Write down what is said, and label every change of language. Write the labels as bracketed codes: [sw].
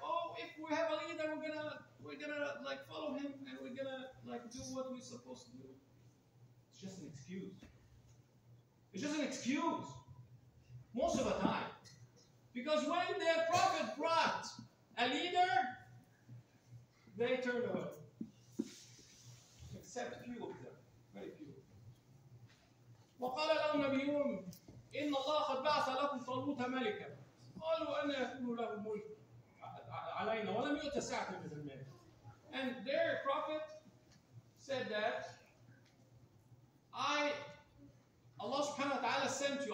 [en] Oh, if we have a leader, we're gonna follow him and we're gonna like do what we're supposed to do. It's just an excuse. It's just an excuse. Most of the time. Because when the prophet brought a leader, they turned away. Except a few of them. Very few. [ar] وقال لهم نبيهم إن الله قد بعث لكم طالوت ملكا قالوا أن يكون له ملك علينا ولم يؤت ساعة من الملك. [en] And their prophet said that Allah subhanahu wa ta'ala sent you.